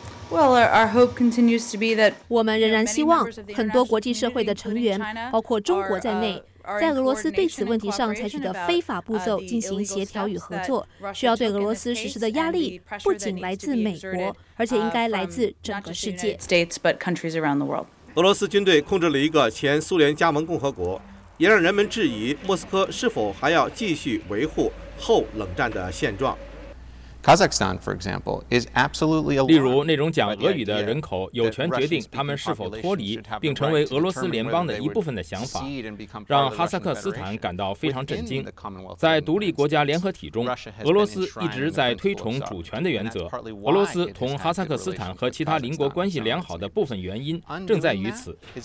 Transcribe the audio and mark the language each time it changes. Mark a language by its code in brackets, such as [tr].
[zh] 我们仍然希望很多国际社会的成员，包括中国在内，在俄罗斯对此问题上采取的非法步骤进行协调与合作，需要对俄罗斯实施的压力不仅来自美国，而且应该来自整个世界。俄罗斯军队控制了一个前苏联加盟共和国，也让人们质疑莫斯科是否还要继续维护后冷战的现状。 [en] Kazakhstan, for example, is absolutely a. [zh] 例如，那种讲俄语的人口有权决定他们是否脱离并成为俄罗斯联邦的一部分的想法，让哈萨克斯坦感到非常震惊。在独立国家联合体中，俄罗斯一直在推崇主权的原则。俄罗斯同哈萨克斯坦和其他邻国关系良好的部分原因正在于此。